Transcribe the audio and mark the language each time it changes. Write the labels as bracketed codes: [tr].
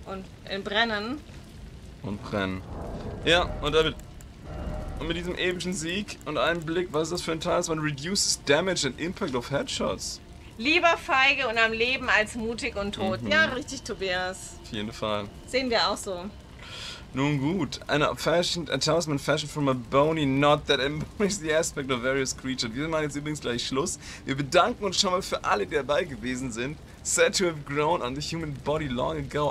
[de] Und brennen. Ja, und damit. Und mit diesem epischen Sieg und einem Blick, was ist das für ein Teil? [en] Man reduces damage and impact of headshots. [de] Lieber feige und am Leben als mutig und tot. Mhm. Ja, richtig, Tobias. Auf jeden Fall. Sehen wir auch so. Nun gut, [en] a talisman fashioned from a bony knot that embodies the aspect of various creatures. [de] Wir machen jetzt übrigens gleich Schluss. Wir bedanken uns schon mal für alle, die dabei gewesen sind. [en] Said to have grown on the human body long ago.